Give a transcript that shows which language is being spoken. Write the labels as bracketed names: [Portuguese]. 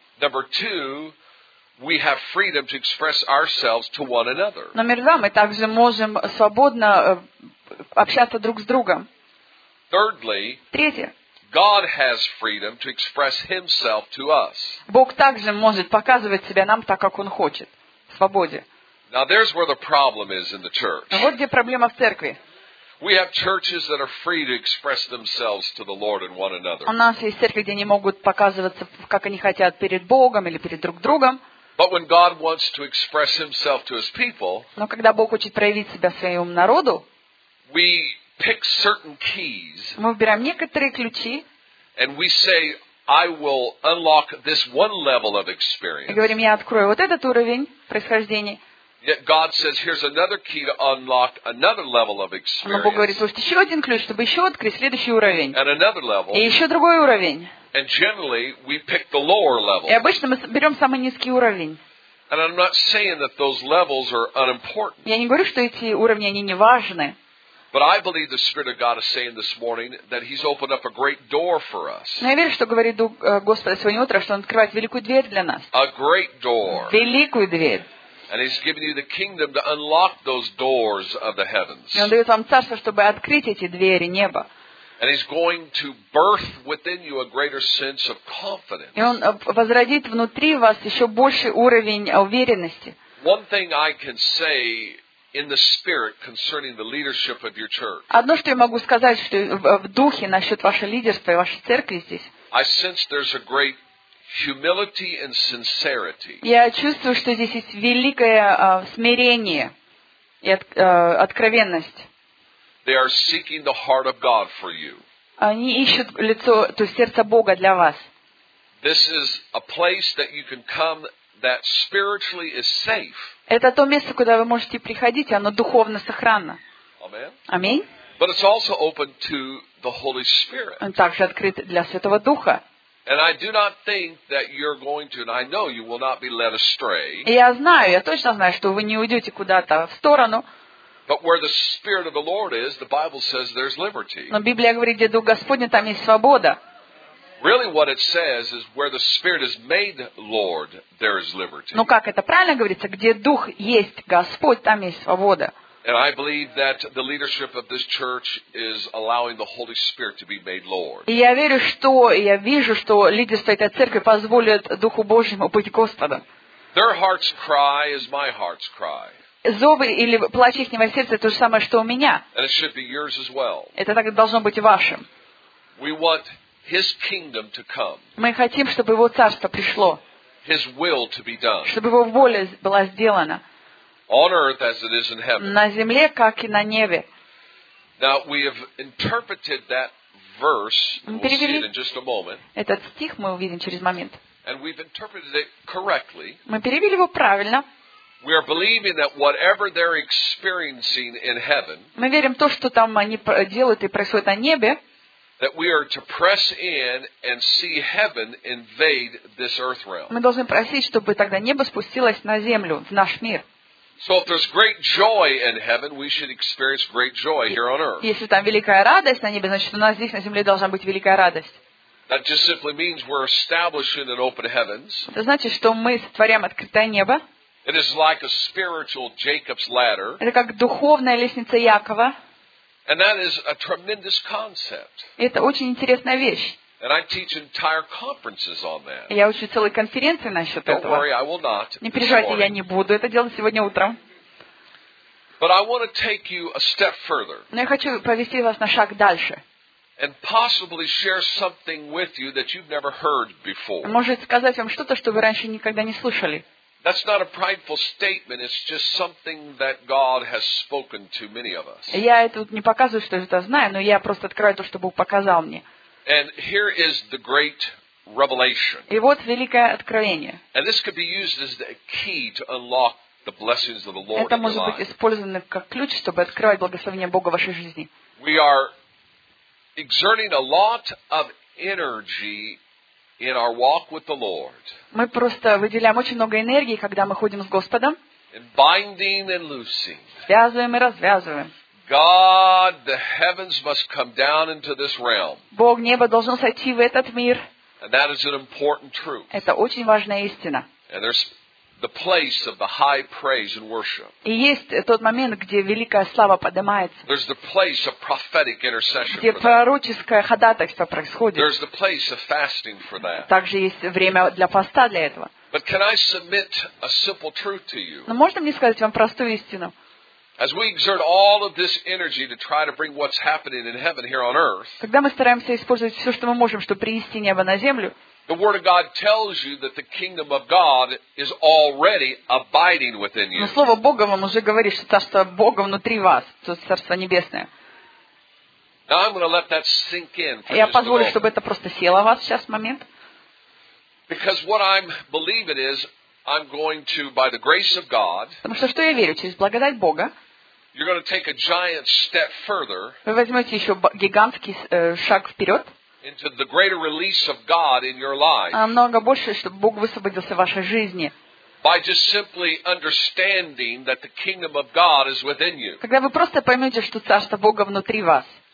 [English] Number two, we have freedom to express ourselves to one another. [Russian] Номер два, мы также можем свободно общаться друг с другом. [English] Thirdly, [Russian] третье. [English] God has freedom to express Himself to us. [Russian] Бог также может показывать себя нам так, как Он хочет, в свободе. [English] Now there's where the problem is in the church. [Russian] Вот где проблема в церкви. [English] We have churches that are free to express themselves to the Lord and one another. [Russian] У нас есть церкви, где они могут показываться, как они хотят, перед Богом или перед друг другом. [English] But when God wants to express Himself to His people, [Russian] но когда Бог хочет проявить себя своему народу, [English] we pick certain keys. [Russian] Мы выбираем некоторые ключи. [English] And we say, I will unlock this one level of experience. [Russian] И говорим, я открою вот этот уровень происхождения. [English] Yet God says, here's another key to unlock another level of experience. [Russian] Но Бог говорит, слушайте, еще один ключ, чтобы еще открыть следующий уровень. [English] And another level. [Russian] И еще другой уровень. [English] And generally, we pick the lower level. [Russian] И обычно мы берем самый низкий уровень. [English] And I'm not saying that those levels are unimportant. [Russian] Я не говорю, что эти уровни они не важны. [English] But I believe the Spirit of God is saying this morning that He's opened up a great door for us. [Russian] Но я верю, что говорит Дух Господа сегодня утром, что Он открывает великую дверь для нас. [English] A great door. [Russian] Великую дверь. [English] And He's giving you the kingdom to unlock those doors of the heavens. [Russian] И Он дает вам царство, чтобы открыть эти двери неба. [English] And He's going to birth within you a greater sense of confidence. [Russian] И Он возродит внутри вас еще больший уровень уверенности. [English] One thing I can say in the spirit concerning the leadership of your church. [Russian] Одно, что я могу сказать, что в духе насчет вашего лидерства и вашей церкви здесь. [English] I sense there's a great humility and sincerity. [Russian] Я чувствую, что здесь есть великое смирение и откровенность. [English] They are seeking the heart of God for you. [Russian] Они ищут лицо, то есть сердце Бога для вас. [English] This is a place that you can come that spiritually is safe. [Russian] Это то место, куда вы можете приходить, оно духовно сохранно. Аминь. [English] But it's also open to the Holy Spirit. [Russian] Он также открыт для Святого Духа. [English] And I do not think that you're going to, and I know you will not be led astray. [Russian] Я знаю, я точно знаю, что вы не уйдете куда-то в сторону. [English] But where the Spirit of the Lord is, the Bible says there's liberty. [Russian] Но Библия говорит, где Дух Господень, там есть свобода. [English] Really, what it says is where the Spirit is made Lord, there is liberty. [Russian] Ну как это правильно говорится, где Дух есть Господь, там есть свобода. [English] And I believe that the leadership of this church is allowing the Holy Spirit to be made Lord. [Russian] И я верю, что я вижу, что лидерство этой церкви позволит Духу Божьему быть Господом. [English] Their heart's cry is my heart's cry. [Russian] Зовы или плач ихнего сердца то же самое, что у меня. [English] And it should be yours as well. [Russian] Это так должно быть вашим. [English] We want His kingdom to come. [Russian] Мы хотим, чтобы Его царство пришло. [English] His will to be done. [Russian] Чтобы Его воля была сделана. [English] On earth as it is in heaven. [Russian] На земле, как и на небе. [English] Now we have interpreted that verse. We'll [Russian] перевели [English] see it in just a moment. [Russian] Этот стих мы увидим через момент. [English] And we've interpreted it correctly. [Russian] Мы перевели его правильно. [English] We are believing that whatever they're experiencing in heaven. [Russian] Мы верим то, что там они делают и происходит на небе. [English] That we are to press in and see heaven invade this earth realm. [Russian] Мы должны просить, чтобы тогда небо спустилось на землю, в наш мир. [English] So if there's great joy in heaven, we should experience great joy here on earth. [Russian] Если там великая радость на небе, значит у нас здесь на земле должна быть великая радость. [English] That just simply means we're establishing an open heavens. [Russian] Это значит, что мы сотворяем открытое небо. [English] It is like a spiritual Jacob's ladder. [Russian] Это как духовная лестница Якова. [English] And that is a tremendous concept. [Russian] Это очень интересная вещь. [English] And I teach entire conferences on that. [Russian] Я учу целые конференции насчет этого. [English] Don't worry, I will not. [Russian] Не переживайте, я не буду это делать сегодня утром. [English] But I want to take you a step further. [Russian] Но я хочу повести вас на шаг дальше. [English] And possibly share something with you that you've never heard before. [Russian] Может сказать вам что-то, что вы раньше никогда не слышали. [English] That's not a prideful statement. It's just something that God has spoken to many of us. [Russian] Я это не показываю, что это знаю, но я просто открываю то, что Бог показал мне. [English] And here is the great revelation. [Russian] И вот великое откровение. [English] And this could be used as the key to unlock the blessings of the Lord. [Russian] Это может быть использовано как ключ, чтобы открывать благословение Бога в вашей жизни. [English] We are exerting a lot of energy in our walk with the Lord. [Russian] Мы просто выделяем очень много энергии, когда мы ходим с Господом. [English] In binding and loosing. [Russian] Связываем и развязываем. [English] God, the heavens must come down into this realm. [Russian] Бог, небо должно сойти в этот мир. [English] And that is an important truth. [Russian] Это очень важная истина. [English] And there's the place of the high praise and worship. [Russian] И есть тот момент, где великая слава поднимается. [English] There's the place of prophetic intercession. [Russian] Где пророческое ходатайство происходит. [English] There's the place of fasting for that. [Russian] Также есть время для поста для этого. [English] But can I submit a simple truth to you? [Russian] Но можно мне сказать вам простую истину? [English] As we exert all of this energy to try to bring what's happening in heaven here on earth. [Russian] Когда мы стараемся использовать всё, что мы можем, чтобы принести небо на землю. [English] The word of God tells you that the kingdom of God is already abiding within you. [Russian] Но слово Бога вам уже говорит, что царство Бога внутри вас, то царство небесное. [English] Now I'm going to let that sink in. [Russian] Я позволю, чтобы это просто село в вас сейчас в момент. [English] Because what I'm believing is I'm going to, by the grace of God. [Russian] Потому что я верю, через благодать Бога. [English] You're going to take a giant step further. [Russian] Вы возьмете еще гигантский шаг вперед. [English] Into the greater release of God in your life. [Russian] Намного больше, чтобы Бог высвободился в вашей жизни. [English] By just simply understanding that the kingdom of God is within you. [Russian] Когда вы просто поймете, что царство Бога внутри вас.